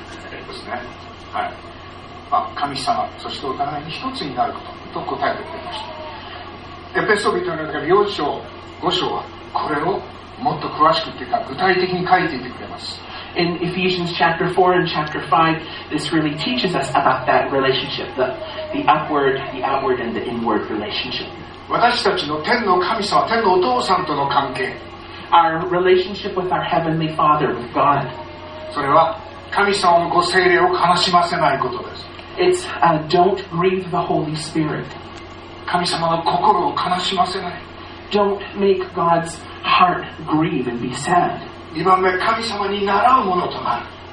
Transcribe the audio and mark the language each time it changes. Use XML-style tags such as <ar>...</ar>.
<ja>ですね。はい。神様、そしてお互いに一つになることと答えてくれました。エペソビトの4章、5章はこれをもっと詳しくというか具体的に書いていてくれます。</ja> <en>In Ephesians chapter 4 and chapter 5, this really teaches us about that relationship, the upward, the outward, and the inward relationship.</en> <ja>私たちの天の神様、天のお父さんとの関係。</ja> <en>Our relationship with our heavenly Father, with God.</en> <ja>それは神様のご聖霊を悲しませないことです。</ja> <en>It's don't grieve the Holy Spirit.</en> <ja>神様の心を悲しませない。</ja> <en>Don't make God's heart grieve and be sad.</en> <ja>2番目、神様に習うものとなる。</ja>